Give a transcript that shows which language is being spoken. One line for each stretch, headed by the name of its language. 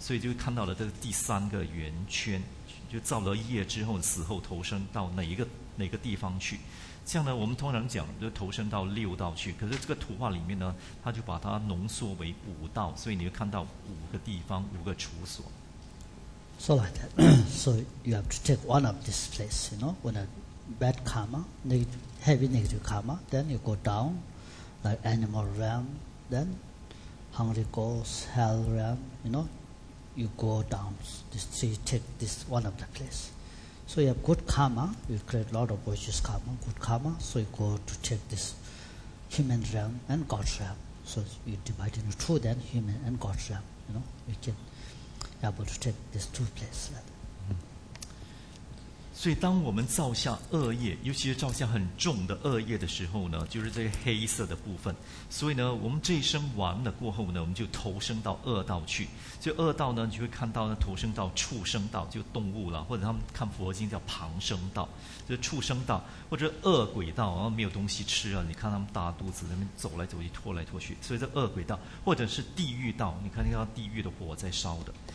Chinese: 所以就看到了这个第三个圆圈，就造了业之后死后投生到哪个地方去。这样呢，我们通常讲就投生到六道去，可是这个图画里面呢，他就把它浓缩为五道，所以你会看到五个地方，五个处所。
English: So like that. So you have to take one of this place, you know, when a bad karma, heavy negative karma, then you go down, like animal realm, then hungry ghost, hell realm, you know, you go down, this, so you take this one of the place. So you have good karma, you create a lot of virtuous karma, good karma, so you go to take this human realm and God's realm. So you divide into two, then human and God's realm, you know, you can. Able to take these two places.
Chinese: So, 当我们造下恶业，尤其是造下很重的恶业的时候呢，就是这个黑色的部分。所以呢，我们这一生完了过后呢，我们就投生到恶道去。所以恶道呢，你就会看到呢，投生到畜生道，就动物了，或者他们看佛经叫旁生道，就是畜生道，或者恶鬼道，然后没有东西吃啊，你看他们大肚子那边走来走去，拖来拖去，所以这恶鬼道，或者是地狱道，你看到地狱的火在烧的。